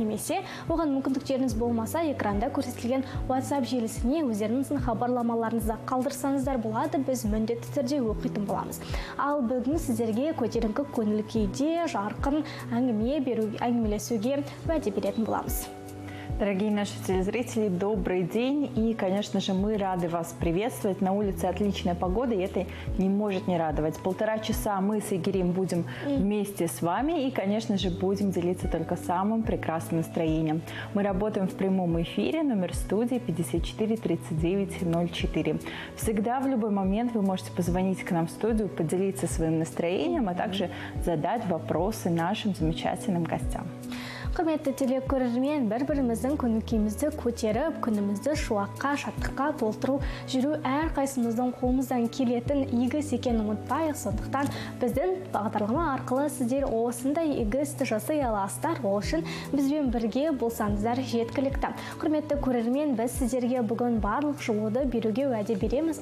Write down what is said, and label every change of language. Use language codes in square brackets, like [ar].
[kk] Немесе оған мүмкіндіктеріңіз болмаса, экранда көрсетілген WhatsApp желісіне өздеріңіздің хабарламаларыңызды қалдырсаңыздар болады, біз міндетті түрде оқитын боламыз. Ал бүгін сіздерге көтеріңкі көңіл күйде жарқын әңгімелесуге уәде беретін боламыз. [ru] Дорогие наши телезрители, добрый день! И, конечно же, мы рады вас приветствовать. На улице отличная погода, и это не может не радовать. Полтора часа мы с Игорем будем вместе с вами и, конечно же, будем делиться только самым прекрасным настроением. Мы работаем в прямом эфире, номер студии 54-39-04. Всегда, в любой момент, вы можете позвонить к нам в студию, поделиться своим настроением, а также задать вопросы нашим замечательным гостям. [kk] Құрметті телекөрермен, бір-біріміздің көңіл-күйімізді көтеріп, күнімізді шуаққа, шаттыққа толтыру жүру әр қайсымыздың қолымыздан келетін игі іс екенін ұмытпайық. Сондықтан біздің бағдарлама арқылы сіздер осындай игі істі жасай аласыздар. Ол үшін бізбен бірге болсаңыздар жеткілікті. Құрметті көрермен, біз сіздерге бүгін барлық жылуды беруге уәде береміз.